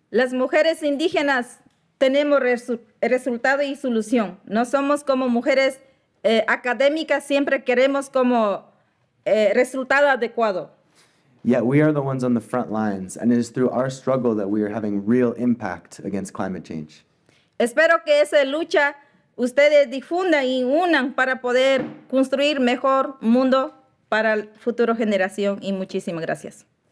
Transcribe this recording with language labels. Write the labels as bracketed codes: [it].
[es] Las mujeres indígenas tenemos resultado y solución. No somos como mujeres académicas, siempre queremos como resultado adecuado. [en] Yet we are the ones on the front lines, and it is through our struggle that we are having real impact against climate change. [es] Espero que esa lucha ustedes difundan y unan para poder construir mejor mundo para la futura generación, y muchísimas gracias.